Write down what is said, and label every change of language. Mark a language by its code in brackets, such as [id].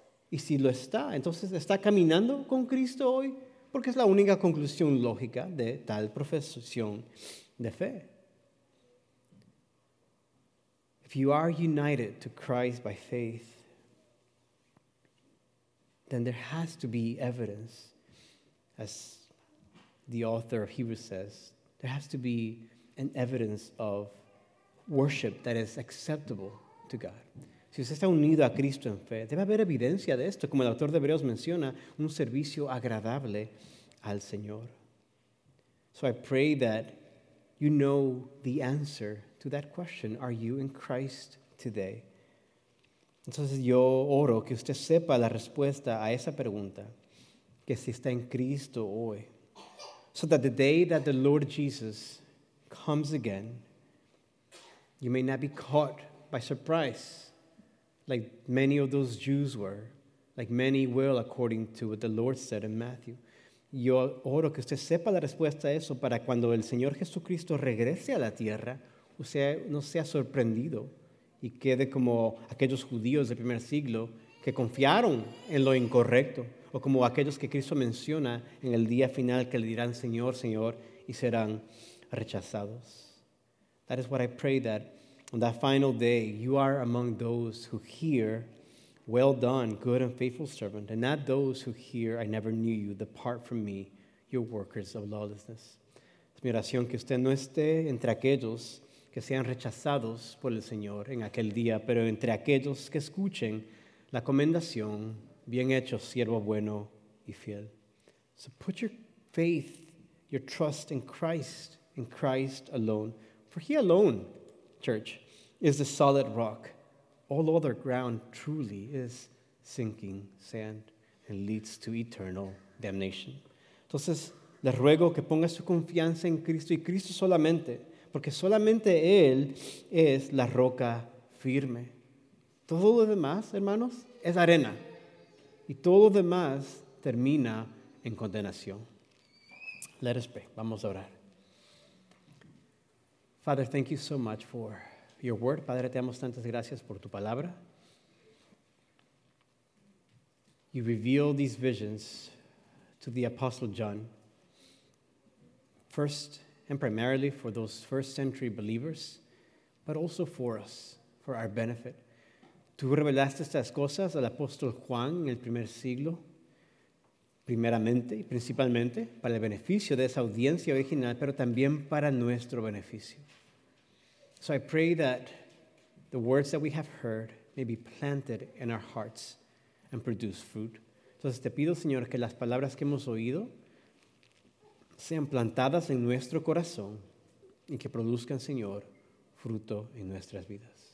[es] Y si lo está, entonces, ¿está caminando con Cristo hoy? Porque es la única conclusión lógica de tal profesión de fe. [en] If you are united to Christ by faith, then there has to be evidence, as the author of Hebrews says, there has to be an evidence of worship that is acceptable to God. [es] Si usted está unido a Cristo en fe, debe haber evidencia de esto, como el autor de Hebreos menciona, un servicio agradable al Señor. [en] So I pray that you know the answer to that question. Are you in Christ today? [es] Entonces yo oro que usted sepa la respuesta a esa pregunta, que si está en Cristo hoy. [en] So that the day that the Lord Jesus comes again, you may not be caught by surprise, like many of those Jews were, like many will, according to what the Lord said in Matthew. [es] Yo oro que usted sepa la respuesta a eso para cuando el Señor Jesucristo regrese a la tierra, usted no sea sorprendido y quede como aquellos judíos del primer siglo que confiaron en lo incorrecto, o como aquellos que Cristo menciona en el día final que le dirán Señor, Señor, y serán rechazados. [en] That is what I pray, that on that final day, you are among those who hear, well done, good and faithful servant, and not those who hear, I never knew you, depart from me, you workers of lawlessness. [es] Es mi oración que usted no esté entre aquellos que sean rechazados por el Señor en aquel día, pero entre aquellos que escuchen la comendación, bien hecho, siervo bueno y fiel. [en] So put your faith, your trust in Christ alone. For he alone, church, is the solid rock. All other ground truly is sinking sand and leads to eternal damnation. [es] Entonces, le ruego que ponga su confianza en Cristo y Cristo solamente, porque solamente Él es la roca firme. Todo lo demás, hermanos, es arena. Y todo lo demás termina en condenación. [en] Let us pray. [es] Vamos a orar. [en] Father, thank you so much for your word. [es] Padre, te damos tantas gracias por tu palabra. [en] You revealed these visions to the Apostle John, first and primarily for those first century believers, but also for us, for our benefit. [es] Tú revelaste estas cosas al apóstol Juan en el primer siglo, primeramente y principalmente para el beneficio de esa audiencia original, pero también para nuestro beneficio. [en] So I pray that the words that we have heard may be planted in our hearts and produce fruit. [es] Entonces te pido, Señor, que las palabras que hemos oído sean plantadas en nuestro corazón y que produzcan, Señor, fruto en nuestras vidas.